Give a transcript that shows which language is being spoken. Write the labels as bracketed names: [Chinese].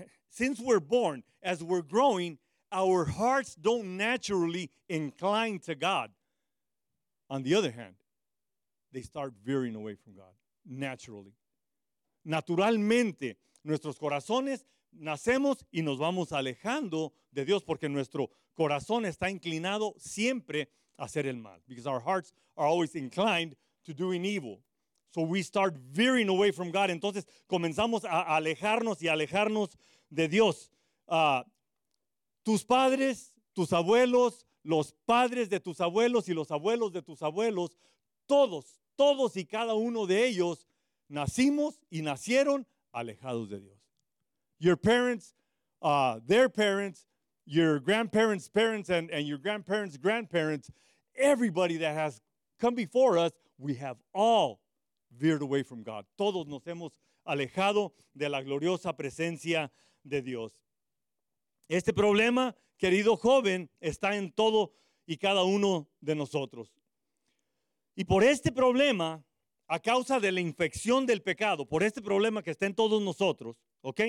[English] Since we're born, as we're growing, our hearts don't naturally incline to God. On the other hand, they start veering away from God, naturally. [Spanish] Naturalmente, nuestros corazones nacemos y nos vamos alejando de Dios porque nuestro corazón está inclinado siempre a hacer el mal. [English] Because our hearts are always inclined to doing evil. So we start veering away from God. [Spanish] Entonces, comenzamos a alejarnos y alejarnos de Dios. Tus padres, tus abuelos, los padres de tus abuelos y los abuelos de tus abuelos, todos y cada uno de ellos nacimos y nacieron alejados de Dios. [English] Your parents, their parents, your grandparents' parents and your grandparents' grandparents, everybody that has come before us, we have all veered away from God. [Spanish] Todos nos hemos alejado de la gloriosa presencia de Dios. Este problema, querido joven, está en todo y cada uno de nosotros. Y por este problema, a causa de la infección del pecado, por este problema que está en todos nosotros, ¿ok?